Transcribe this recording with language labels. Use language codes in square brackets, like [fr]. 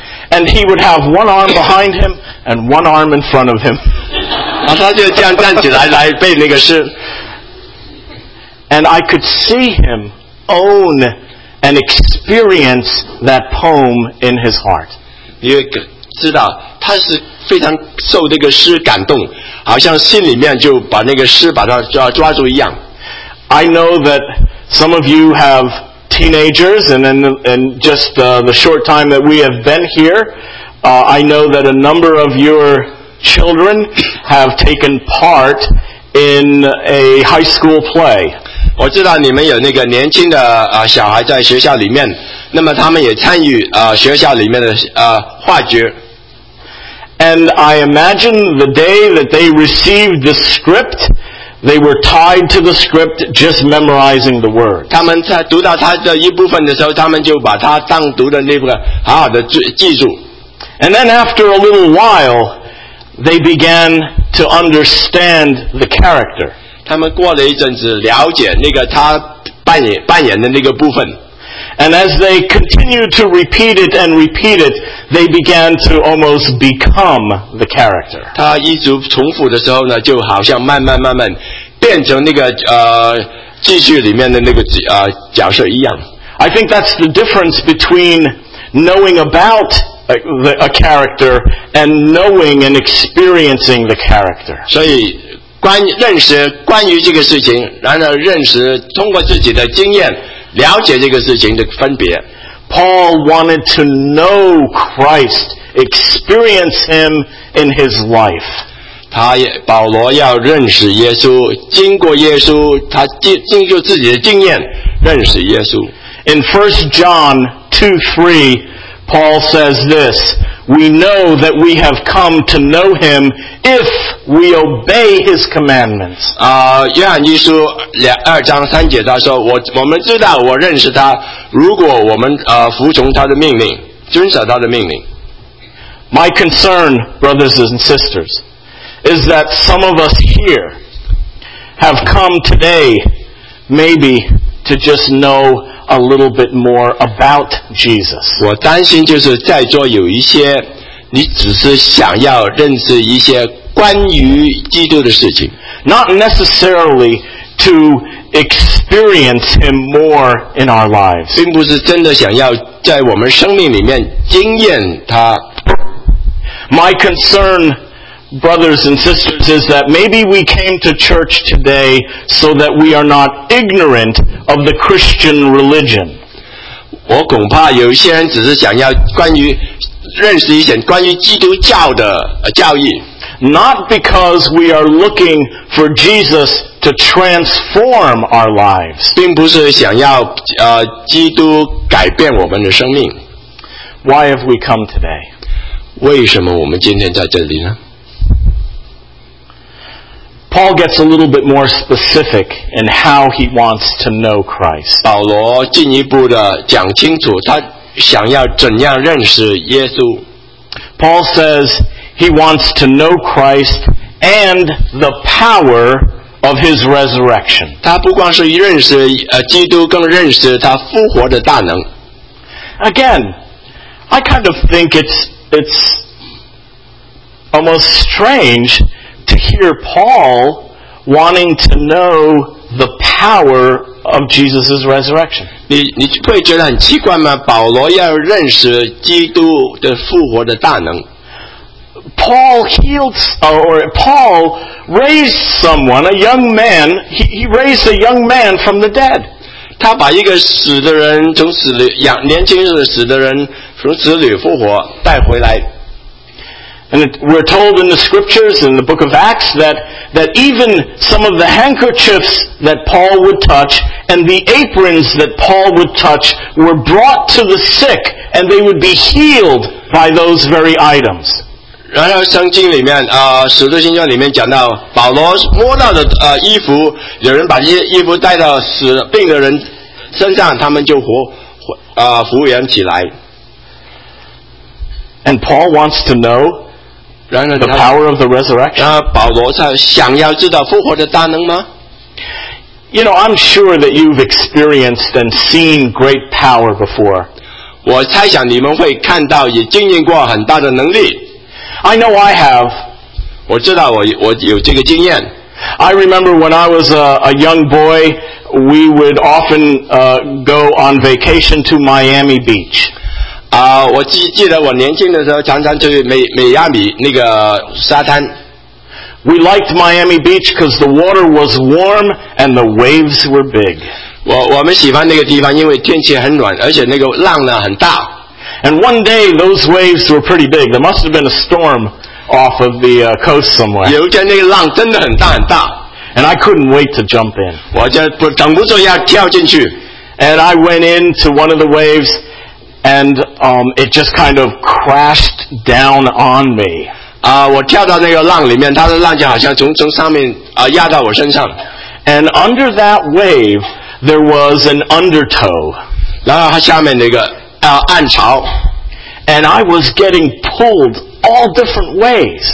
[en] And he would have one arm behind him and one arm in front of him. [zh] 他就这样站起来背那个诗。 [en] And I could see him own and experience that poem in his heart. [zh] 你知道他是非常受这个诗感动，好像心里面就把那个诗把它抓住一样。 [en] I know that some of you have teenagers, and just the short time that we have been here, I know that a number of your children have taken part in a high school play. [zh] 我知道你们有那个年轻的小孩在学校里面，那么他们也参与学校里面的话剧。 [en] And I imagine the day that they received the script, they were tied to the script just memorizing the word. [zh] 他们在读到他的一部分的时候，他们就把他当读的那个好好的记住。 [en] And then after a little while, they began to understand the character. [zh] 他们过了一阵子了解那个他扮演的那个部分。 [en] And as they continued to repeat it and repeat it, they began to almost become the character. [zh] 他一直重复的时候呢，就好像慢慢慢慢变成那个继续里面的那个角色一样。 [en] I think that's the difference between knowing abouta character and knowing and experiencing the character. [zh] 所以认识关于这个事情，然后认识通过自己的经验了解这个事情的分别。 [en] Paul wanted to know Christ, experience him in his life. [zh] 保罗要认识耶稣，经过耶稣，他经过自己的经验认识耶稣。 [en] In 1 John 2:3, Paul says this, "We know that we have come to know him if we obey his commandments." [zh] 约翰一书二章三节他说，我们知道我认识他，如果我们服从他的命令，遵守他的命令。 [en] My concern, brothers and sisters, is that some of us here have come today, maybe, to just know a little bit more about Jesus. [zh] 我担心就是在座有一些，你只是想要认识一些关于基督的事情。 [en] Not necessarily to experience him more in our lives. [zh] 并不是真的想要在我们生命里面经验他。 [en] My concern, brothers and sisters, is that maybe we came to church today so that we are not ignorant of the Christian religion. [zh] 我恐怕有些人只是想要关于认识一些关于基督教的教义。 [en] Not because we are looking for Jesus to transform our lives. [zh] 并不是想要基督改变我们的生命。 [en] Why have we come today? [zh] 为什么我们今天在这里呢？ [en] Paul gets a little bit more specific in how he wants to know Christ. [zh] 保罗进一步的讲清楚他想要怎样认识耶稣。 [en] Paul says he wants to know Christ and the power of his resurrection. [zh] 他不光是认识基督，更认识他复活的大能。 [en] Again, I kind of think it's almost strange to hear Paul wanting to know the power of Jesus' resurrection. [zh] 你会觉得很奇怪吗？保罗要认识基督的复活的大能。 [en] Paul healed, or Paul raised someone, a young man. He raised a young man from the dead. [zh] 他把一个死的人从死里养年轻的死的人。 [en] And we're told in the scriptures in the book of Acts that even some of the handkerchiefs that Paul would touch and the aprons that Paul would touch were brought to the sick and they would be healed by those very items. [zh] 然后圣经里面使徒行传里面讲到保罗摸到的衣服，有人把衣服带到死病的人身上，他们就复原起来。 [en] And Paul wants to know the power of the resurrection. [zh] 保罗想要知道复活的大能吗？ [en] You know, I'm sure that you've experienced and seen great power before. [zh] 我猜想你们会看到也经验过很大的能力。 [en] I know I have. [zh] 我知道我有这个经验。 [en] I remember when I was a young boy, we would often go on vacation to Miami Beach. [zh] 我记得我年轻的时候常常去美亚米那个沙滩。 [en] We liked Miami Beach because the water was warm and the waves were big. [zh] 我们喜欢那个地方，因为天气很暖，而且那个浪呢很大。 [en] And one day those waves were pretty big. There must have been a storm off of the coast somewhere. [zh] 有一天那个浪真的很大很大。 [en] And I couldn't wait to jump in. [zh] 我就不等不住要跳进去。 [en] And I went into one of the waves. And it just kind of crashed down on me. [zh] 我跳到那个浪里面，它的浪就好像从上面压到我身上。 [en] And under that wave, there was an undertow. [zh] 然后它下面那个暗潮。 [en] And I was getting pulled all different ways.